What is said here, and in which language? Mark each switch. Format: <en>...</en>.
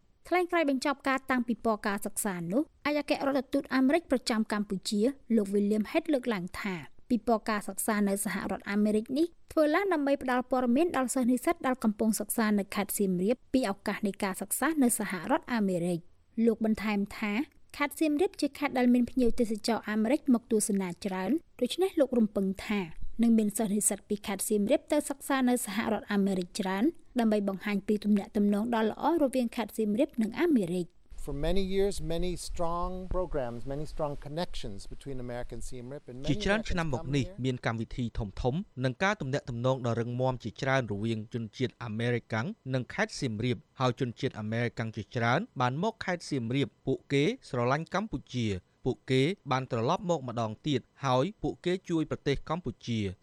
<km>ថ្លែងក្រោយបញ្ចប់ការតាំងពិព័រណ៍ការសិក្សានោះអគ្គរដ្ឋទូតអាមេរិកប្រចាំកម្ពុជាលោក William Head លើកឡើងថាពិព័រណ៍ការសិក្សានៅសហរដ្ឋអាមេរិកនេះធ្វើឡើងដើម្បីផ្តល់ព័ត៌មានដល់សិស្សនិស្សិតដែលកំពុងសិក្សានៅខេត្តសៀមរាបពីឱកាសនៃការសិក្សានៅសហរដ្ឋអាមេរិក លោកបន្ថែមថាខេត្តសៀមរាបជាខេត្តដែលមានភ្ញៀវទេសចរអាមេរិកមកទស្សនាច្រើនដូច្នេះលោករំពឹងថានឹងមានសិស្សនិស្សិតពីខេត្តសៀមរាបទៅសិក្សានៅសហរដ្ឋអាមេរិកច្រើនដើម្បីបង្ហាញពីទំនាក់ទំនងដ៏ល្អរវាងខេត្តសៀមរាបនិងអាមេរិក</km> <en>For many years many strong programs many strong connections between American Siem Reap and many</en> <km>ជាឆ្នាំមកនេះមានកម្មវិធីធំធំនឹងការទំនាក់ទំនងដ៏រឹងមាំជាច្រើនរវាងជនជាតិអាមេរិកាំងនិងខេត្តសៀមរាបហើយជនជាតិអាមេរិកាំងជាច្រើនបានមកខេត្តសៀមរាបពួកគេស្រឡាញ់កម្ពុជាពួកគេបានត្រឡប់មកម្ដងទៀតហើយពួកគេជួយប្រទេសកម្ពុជា</km>